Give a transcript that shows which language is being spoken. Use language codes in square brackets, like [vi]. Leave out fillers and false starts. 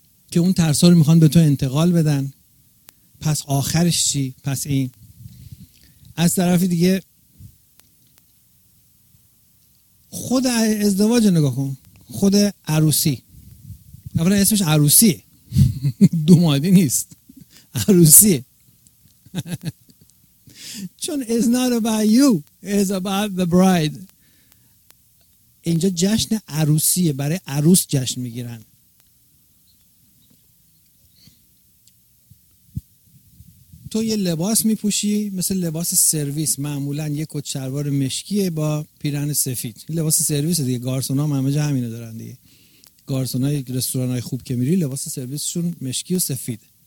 [fa] که اون ترسا رو میخوان به تو انتقال بدن، پس آخرش چی؟ پس این از طرفی دیگه خود ازدواج نگاه کن، خود عروسی، اولا اسمش عروسیه، دومادی نیست، عروسیه. چون [en] it's not about you, it's about the bride. [fa] اینجا جشن عروسیه، برای عروس جشن میگیرن. تو یه لباس میپوشی مثل لباس سرویس، معمولا یه کت شلوار مشکیه با پیرهن سفید، لباس سرویس دیگه، گارسونا همه جا همینو دارن دیگه، گارسونای رستورانای خوب که میری لباس سرویسشون مشکی و سفید.